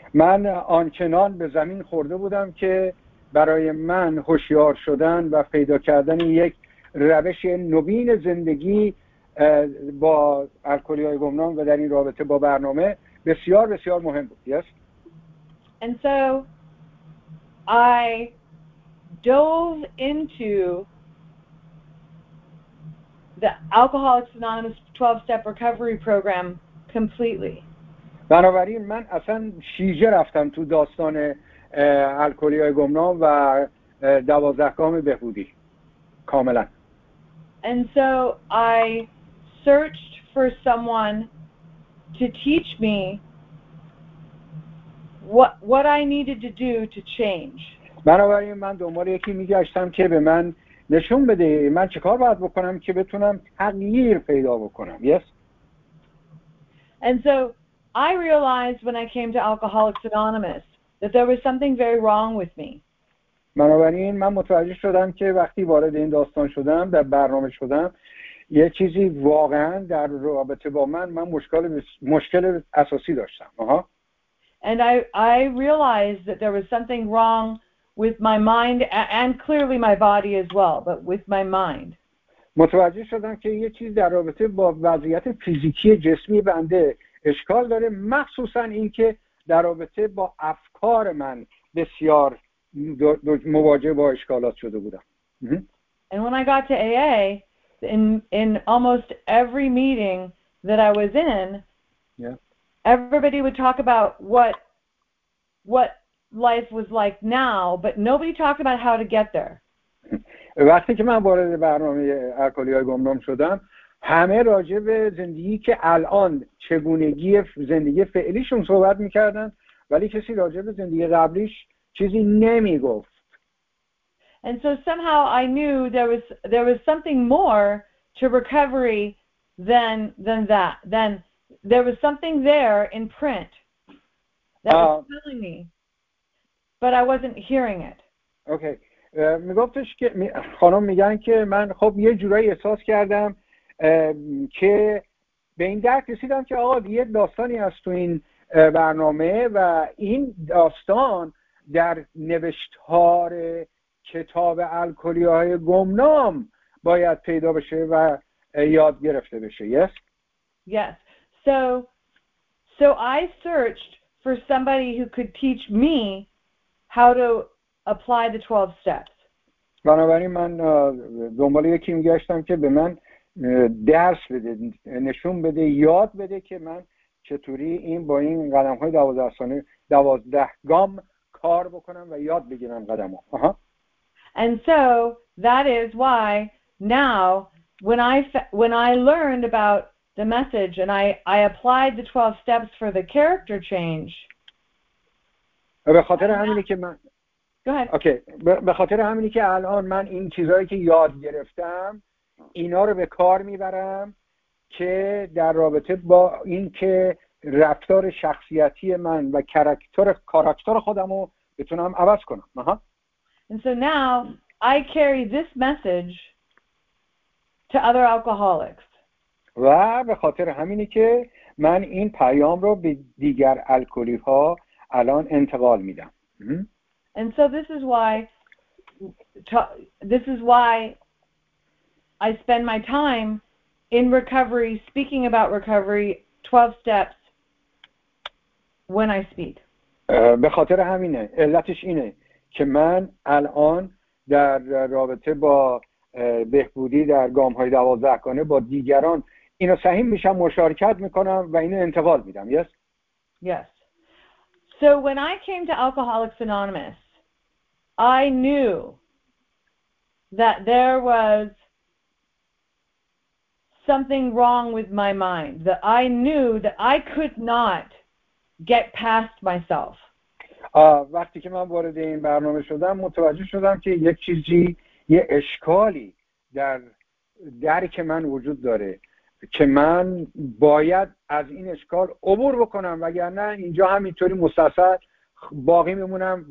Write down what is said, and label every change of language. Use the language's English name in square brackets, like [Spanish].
[Persian] من آنچنان به زمین خورده بودم که برای من هوشیار شدن و پیدا کردن یک روش نوین زندگی با الکلی‌های گمنام و در این رابطه با برنامه بسیار بسیار مهم بود. [English] Yes. And so I dove into the Alcoholics Anonymous 12-step recovery program completely. [Persian] بنابراین من اصلا شیجه رفتم تو داستان الکلی‌های گمنام و 12 گام بهبودی کاملا. [English] And so I searched for someone to teach me what I needed to do to change. [Persian] بنابراین من دنبال یکی می‌گشتم که به من نشون بده من چه کار باید بکنم که بتونم تغییر پیدا بکنم. [English] Yes. And so I realized when I came to Alcoholics Anonymous that there was something very wrong with me. [Persian] بنابراین من متوجه شدم که وقتی وارد این داستان شدم در برنامه شدم یه چیزی واقعا در رابطه با من من مشکل اساسی داشتم ها. [English] And I realized that there was something wrong with my mind and clearly my body as well, but with my mind. [Persian] متوجه شدم که یه چیز در رابطه با وضعیت فیزیکی جسمی بنده اشکال داره، مخصوصا اینکه در رابطه با افکار من بسیار مواجه با اشکالات شده بودم. [English] And when I got to AA, in almost every meeting that I was in, everybody would talk about what life was like now, but nobody talked about how to get there. [Persian] وقتی که من وارد برنامه الکلی‌های گمنام شدم، همه راجع به زندگی که الان چگونگی زندگی فعلیشون صحبت می‌کردن، ولی کسی راجع به زندگی قبلیش چیزی نمی‌گفت. [English] And so somehow I knew there was something more to recovery than that. Then there was something there in print that was telling me, but I wasn't hearing it. Okay. [Persian] میگفتش که خانم میگن که من خب یه جورایی احساس کردم که به این درک رسیدم که آقا یه داستانی هست تو این برنامه و این داستان در نوشتار کتاب الکلی‌های گمنام باید پیدا بشه و یاد گرفته بشه. [English] Yes. Yes. So I searched for somebody who could teach me how to apply the 12 steps. [Persian] بنابراین من دنبال یکی میگشتم که به من درس بده، نشون بده، یاد بده که من چطوری این با این قدم های 12 گام کار بکنم و یاد بگیرم قدم ها. [English] And so that is why now when I learned about the message and I applied the 12 steps for the character change. [Persian] به خاطر همینی که من [English] okay [Persian] به خاطر همینی که الان من این چیزایی که یاد گرفتم اینا رو به کار میبرم که در رابطه با اینکه رفتار شخصیتی من و کاراکتر خودم رو بتونم عوض کنم. آها. [English] And so now I carry this message to other alcoholics. [Persian] و به خاطر همینی که من این پیام رو به دیگر الکلی ها الان انتقال میدم. [English] And so this is why I spend my time in recovery, speaking about recovery, 12 steps when I speak. [Persian] به خاطر همینه، علتش اینه که من الان در رابطه با بهبودی در گام‌های 12 گانه با دیگران اینو سهیم میشم، مشارکت میکنم و اینو انتقال میدم. [English] Yes. Yes. So when I came to Alcoholics Anonymous, I knew that there was something wrong with my mind, that I knew that I could not get past myself. [Persian] وقتی که من وارد این برنامه شدم متوجه شدم که یک چیزی، یه اشکالی در درک من وجود داره که من باید از این اشکال عبور بکنم، وگرنه اینجا همینطوری مستثنی باقی میمونم.